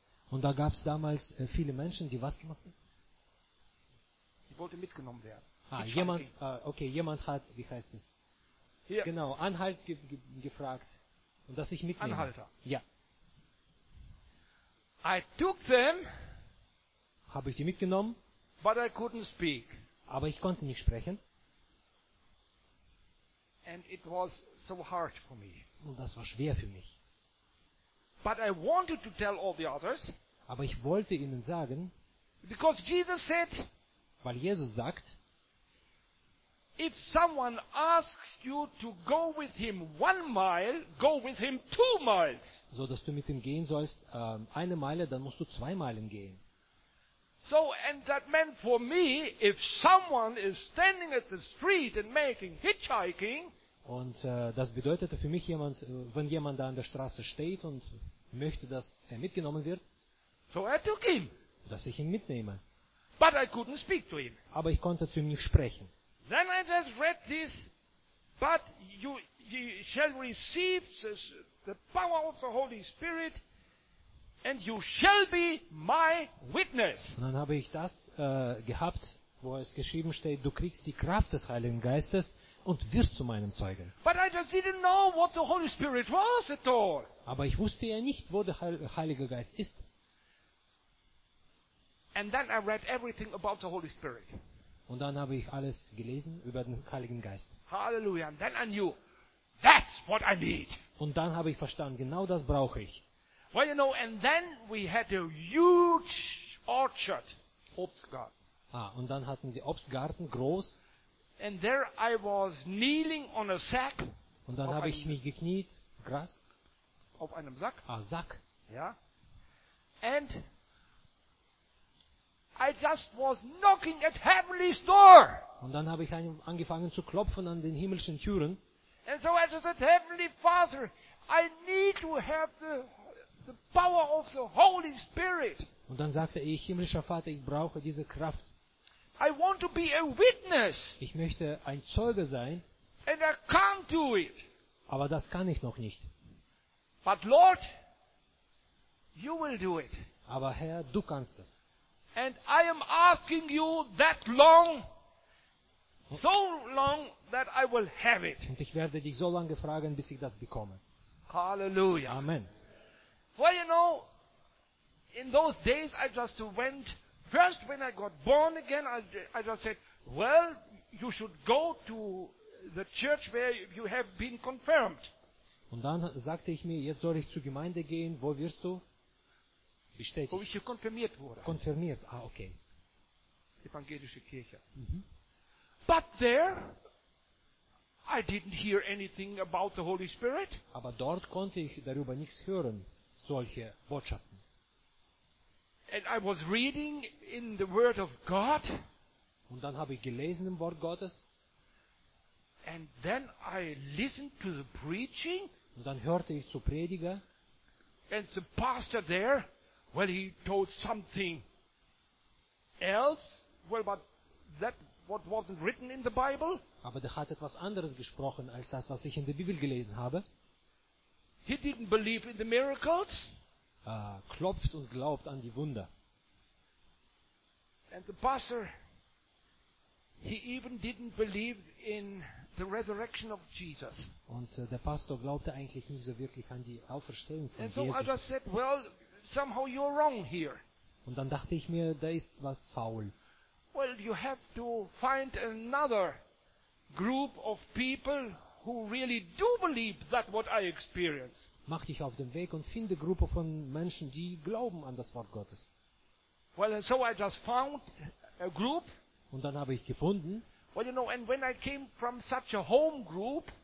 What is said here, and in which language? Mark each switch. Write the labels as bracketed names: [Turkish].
[German] Und da gab es damals viele Menschen, die was gemacht haben? Die wollte mitgenommen werden. Jemand hat, wie heißt es? Hier. Genau, Anhalt gefragt. Und dass ich mitnehme. Anhalter. Ja. [English] I took them. [German] Habe ich die mitgenommen? [English] But I couldn't speak. [German] Aber ich konnte nicht sprechen. [English] And it was so hard for me. [German] Und das war schwer für mich. [English] But I wanted to tell all the others. [German] Aber ich wollte ihnen sagen. [English] Because Jesus said. [German] Weil Jesus sagt. [English] If someone asks you to go with him 1 mile, go with him 2 miles. [German] So dass du mit ihm gehen sollst, eine Meile, dann musst du 2 Meilen gehen. [English] So, and that meant for me, if someone is standing at the street and making hitchhiking. [German] Und das bedeutete für mich jemand, wenn jemand da an der Straße steht und möchte, dass er mitgenommen wird. [English] So I took him. [German] Dass ich ihn mitnehme. [English] But I couldn't speak to him. [German] Aber ich konnte zu ihm nicht sprechen. [English] Then I just read this, but you shall receive the power of the Holy Spirit, and you shall be my witness. [German] Und dann habe ich das gehabt, wo es geschrieben steht, du kriegst die Kraft des Heiligen Geistes und wirst zu meinem Zeugen. [English] But I just didn't know what the Holy Spirit was at all. [German] Aber ich wusste ja nicht, wo der Heilige Geist ist. [English] And then I read everything about the Holy Spirit. [German] Und dann habe ich alles gelesen über den Heiligen Geist. Halleluja. [English] And then I knew, that's what I need. [German] Und dann habe ich verstanden, genau das brauche ich. [English] Well, you know, and then we had a huge orchard, Obstgarten. [German] Ah, und dann hatten sie Obstgarten, groß. [English] And there I was kneeling on a sack. [German] Und dann habe ich mich gekniet, Gras. Auf einem Sack. Ah, Sack. Ja. [English] And I just was knocking at heaven's door. [German] Und dann habe ich angefangen zu klopfen an den himmlischen Türen. [English] And so I just said, Heavenly Father, I need to have the power of the Holy Spirit. [German] Und dann sagte ich, himmlischer Vater, ich brauche diese Kraft. [English] I want to be a witness. [German] Ich möchte ein Zeuge sein. [English] And I can't do it. [German] Aber das kann ich noch nicht. [English] But Lord, you will do it. [German] Aber Herr, du kannst es. [English] And I am asking you that long, so long that I will have it. [German] Und ich werde dich so lange fragen, bis ich das bekomme. Halleluja. Amen. [English] Well, you know, in those days I just went, first when I got born again, I just said, well, you should go to the church where you have been confirmed. [German] Und dann sagte ich mir, jetzt soll ich zur Gemeinde gehen, wo wirst du? Bestätigt. Wo ich hier konfirmiert wurde. Konfirmiert, ah, okay. Evangelische Kirche. [English] But there, I didn't hear anything about the Holy Spirit. [German] Aber dort konnte ich darüber nichts hören, solche Botschaften. [English] And I was reading in the Word of God. [German] Und dann habe ich gelesen im Wort Gottes. [English] And then I listened to the preaching. [German] Und dann hörte ich zu Prediger. [English] And the pastor there, well, he told something else. Well, but that what wasn't written in the Bible. [German] Aber der hat etwas anderes gesprochen als das, was ich in der Bibel gelesen habe. [English] He didn't believe in the miracles. [German] Klopft und glaubt an die Wunder. [English] And the pastor, he even didn't believe in the resurrection of Jesus. [German] Und der Pastor glaubte eigentlich nicht so wirklich an die Auferstehung von Jesus. [English] And so I said, well, somehow you're wrong here. [German] Und dann dachte ich mir, da ist was faul. [English] Well, you have to find another group of people who really do believe that what I experience. [German] Mach dich auf den Weg und finde Gruppe von Menschen, die glauben an das Wort Gottes. [English] Well, so I just found a group. [German] Und dann habe ich gefunden. [English] Well, you know, and when I came from such a home group.